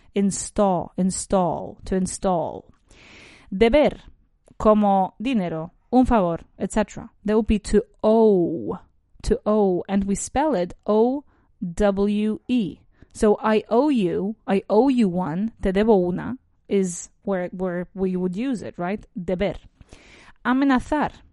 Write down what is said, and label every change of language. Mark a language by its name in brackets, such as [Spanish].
[English] Install, install, to install. [Spanish] Deber, como dinero, un favor, etc. [English] That would be to owe. To owe, and we spell it O-W-E. So I owe you one, [Spanish] te debo una, [English] is where we would use it, right? [Spanish] Deber. Amenazar.